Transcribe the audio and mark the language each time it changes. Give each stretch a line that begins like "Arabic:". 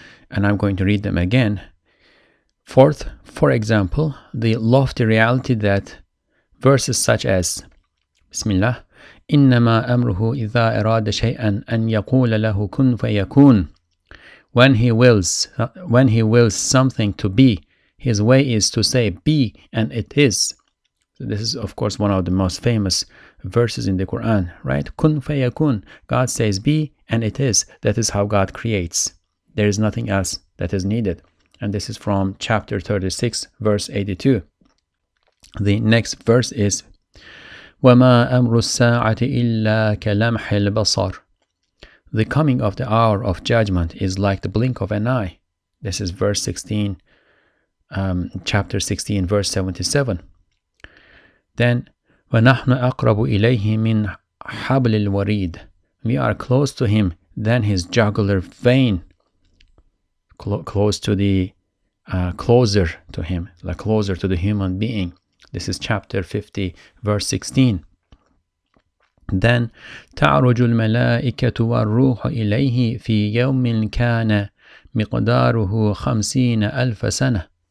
English: And I'm going to read them again. Fourth, for example, the lofty reality that verses such as Bismillah,
Arabic: إِنَّمَا أَمْرُهُ إِذَا أَرَادَ شَيْئًا أَنْ يَقُولَ لَهُ كُنْ فَيَكُونَ
English: When he wills something to be, his way is to say be and it is. So this is, of course, one of the most famous verses in the Quran, right?
Arabic: كُنْ فَيَكُونَ
English: God says be and it is. That is how God creates. There is nothing else that is needed. And this is from chapter 36, verse 82. The next verse is,
Arabic: وَمَا أَمْرُ السَّاعَةِ إِلَّا كَلَمْحِ الْبَصَرِ
English: The coming of the hour of judgment is like the blink of an eye. This is verse 16, chapter 16, verse 77.
Arabic: Then, وَنَحْنُ أَقْرَبُ إِلَيْهِ مِنْ حَبْلِ الْوَرِيدِ.
English: We are close to him than his jugular vein. Closer to him, like closer to the human being. This is chapter 50, verse 16. Then,
Arabic: تَعْرُجُ الْمَلَائِكَةُ وَالْرُوحُ إِلَيْهِ فِي يَوْمٍ كَانَ مِقْدَارُهُ 50,000 سَنَةً.